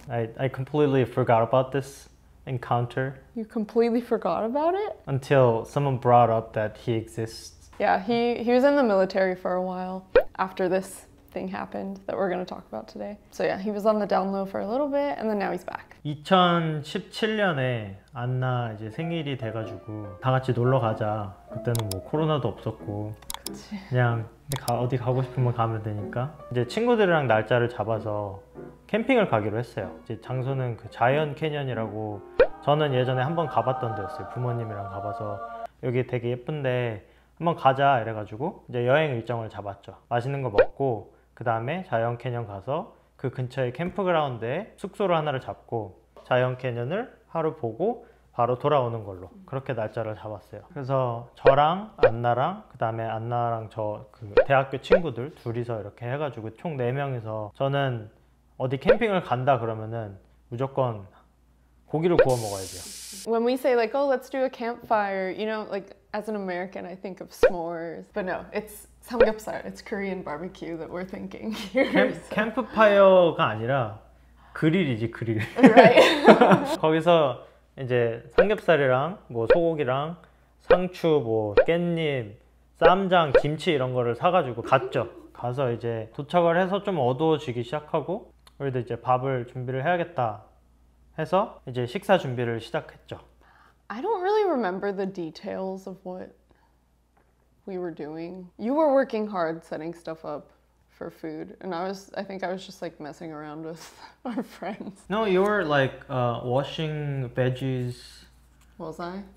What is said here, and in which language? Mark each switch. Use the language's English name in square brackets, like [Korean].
[English] I completely forgot about this encounter. You completely forgot about it? Until someone brought up that he exists. Yeah, he was in the military for a while after this thing happened that we're going to talk about today. So yeah, he was on the down low for a little bit and then now he's back. [Korean] 2017년에 안나 이제 생일이 돼 가지고 다 같이 놀러 가자. 그때는 뭐 코로나도 없었고. 그치. 그냥 어디 가고 싶으면 가면 되니까 이제 친구들이랑 날짜를 잡아서 캠핑을 가기로 했어요. 이제 장소는 그 자이언 캐년이라고 저는 예전에 한번 가봤던 데였어요. 부모님이랑 가봐서 여기 되게 예쁜데 한번 가자 이래가지고 이제 여행 일정을 잡았죠. 맛있는 거 먹고 그 다음에 자이언 캐년 가서 그 근처에 캠프그라운드에 숙소를 하나를 잡고 자이언 캐년을 하루 보고 바로 돌아오는 걸로 그렇게 날짜를 잡았어요. 그래서 저랑 안나랑 그 다음에 안나랑 저 그 대학교 친구들 둘이서 이렇게 해가지고 총 4명이서 저는 어디 캠핑을 간다 그러면은 무조건 고기를 구워 먹어야 돼요. [English] When we say like, oh, let's do a campfire, you know, like as an American, I think of s'mores. But no, it's 삼겹살. It's Korean barbecue that we're thinking here. So. [Korean] 캠프파이어가 아니라 그릴이지, 그릴. [English] Right. [Korean] 거기서 이제 삼겹살이랑 뭐 소고기랑 상추, 뭐 깻잎, 쌈장, 김치 이런 거를 사가지고 갔죠. 가서 이제 도착을 해서 좀 어두워지기 시작하고 우리도 이제 밥을 준비를 해야겠다. 해서 이제 식사 준비를 시작했죠. [English] I don't really remember the details of what we were doing. You were working hard setting stuff up for food, and I think I was just like messing around with our friends. No, you were like washing veggies. Was I?